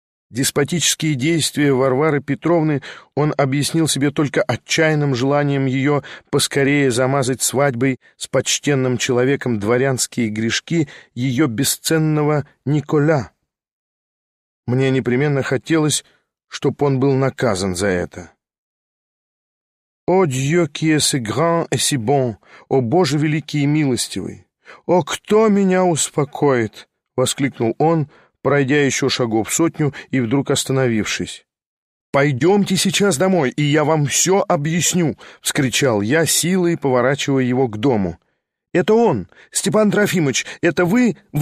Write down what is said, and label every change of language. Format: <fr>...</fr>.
<ru>Деспотические действия Варвары Петровны он объяснил себе только отчаянным желанием ее поскорее замазать свадьбой с почтенным человеком дворянские грешки ее бесценного Николя. Мне непременно хотелось, чтоб он был наказан за это.</ru> <fr>«О Dieu qui est si grand et si bon!</fr> <ru>О Боже великий и милостивый! О, кто меня успокоит!» — воскликнул он, пройдя еще шагов сотню и вдруг остановившись. «Пойдемте сейчас домой, и я вам все объясню!» — вскричал я, силой поворачивая его к дому. «Это он, Степан Трофимович, это вы?»</ru>